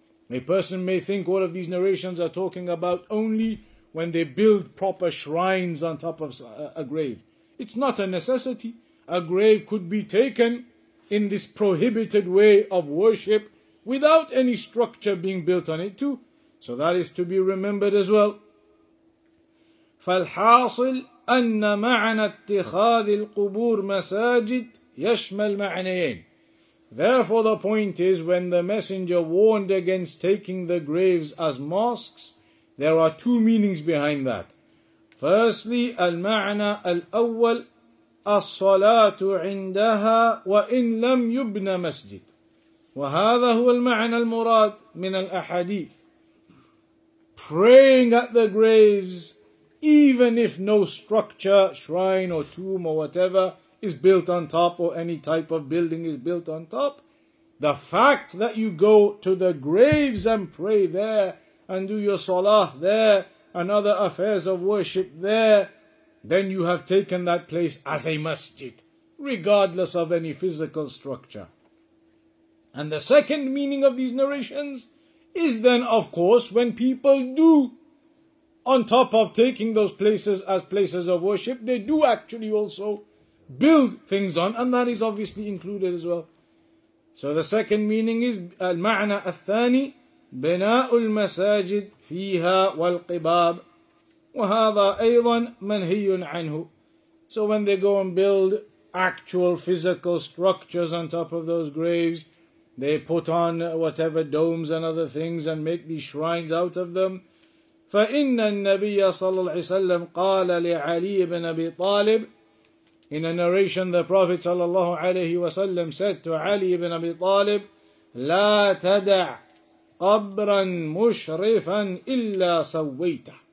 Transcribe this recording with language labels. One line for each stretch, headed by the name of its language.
English: A person may think all of these narrations are talking about only when they build proper shrines on top of a grave. It's not a necessity. A grave could be taken in this prohibited way of worship without any structure being built on it too. So that is to be remembered as well.
Arabic: فالحاصل أن معنى اتخاذ القبور مساجد يشمل معنيين.
English: Therefore the point is, when the messenger warned against taking the graves as mosques, there are two meanings behind that. Firstly,
Arabic: المعنى الأول الصلاة عندها وإن لم يبنى مسجد. وهذا هو المعنى المراد من الأحاديث.
English: Praying at the graves, even if no structure, shrine or tomb or whatever is built on top, or any type of building is built on top, the fact that you go to the graves and pray there and do your salah there and other affairs of worship there, then you have taken that place as a masjid, regardless of any physical structure. And the second meaning of these narrations is then, of course, when people do, on top of taking those places as places of worship, they do actually also build things on, and that is obviously included as well. So the second meaning is
Arabic: al-ma'na al-thani, بناء المساجد فيها والقباب وهذا أيضا منهي عنه.
English: So when they go and build actual physical structures on top of those graves, they put on whatever domes and other things and make these shrines out of them.
Arabic: فَإِنَّ النَّبِيَّ صَلَّى اللَّهُ عَلَيْهِ وَسَلَّمْ قَالَ لِعَلِيِّ بْنِ أَبِي طَالِبٍ.
English: In a narration, the Prophet صلى الله عليه وسلم said to Ali ibn Abi Talib,
Arabic: لَا تَدَعْ قَبْرًا مُشْرِفًا إِلَّا سَوَّيْتَ.